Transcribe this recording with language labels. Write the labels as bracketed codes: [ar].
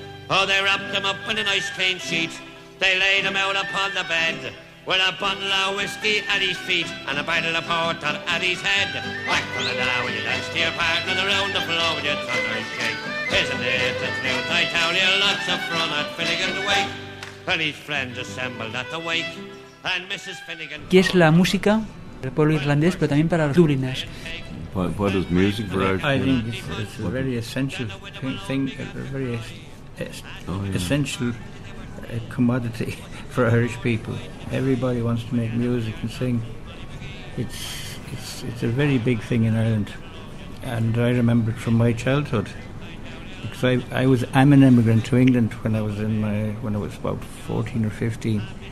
[en] Oh, they wrapped him up in a nice clean sheet. They laid him out upon the bed, with a bottle of whiskey at his feet and a bottle of porter at his head. Whack, pull it out, will you dance to your partner around the floor with your thunder shake? Isn't it the truth? I tell you, lots of fun at Finnegan's wake. And his friends assembled at the wake. And Mrs. Finnegan... [es] ¿Qué es la música? Para el pueblo irlandés, pero también para los dubliners. [en] What is music for Irish? I think it's a very essential thing, a very essential commodity for Irish people. Everybody wants to make music and sing. It's a very big thing in Ireland, and I remember it from my childhood, because I'm an immigrant to England when I was about 14 or 15.